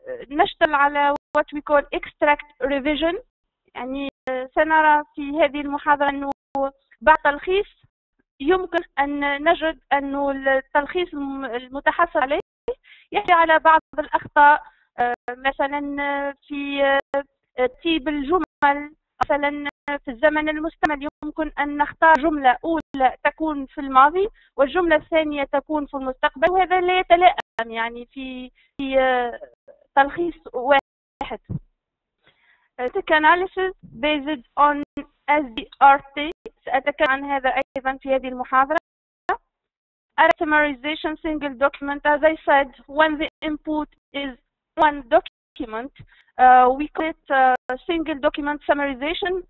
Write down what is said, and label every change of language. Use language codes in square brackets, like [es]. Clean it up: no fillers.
[ar] نشتغل على [en] what we call extract revision. [ar] يعني سنرى في هذه المحاضرة أنه بعد تلخيص يمكن أن نجد أنه التلخيص المتحصل عليه يحتوي على بعض الأخطاء، مثلا في ترتيب الجمل، مثلا في الزمن المستمر يمكن أن نختار جملة أولى تكون في الماضي والجملة الثانية تكون في المستقبل، وهذا لا يتلائم يعني في تلخيص واحد. [en] Static analysis based on SBRT. [ar] سأتكلم عن هذا أيضا في هذه المحاضرة. [en] Summarization single document. As I said, when the input is one document, we call it single document summarization.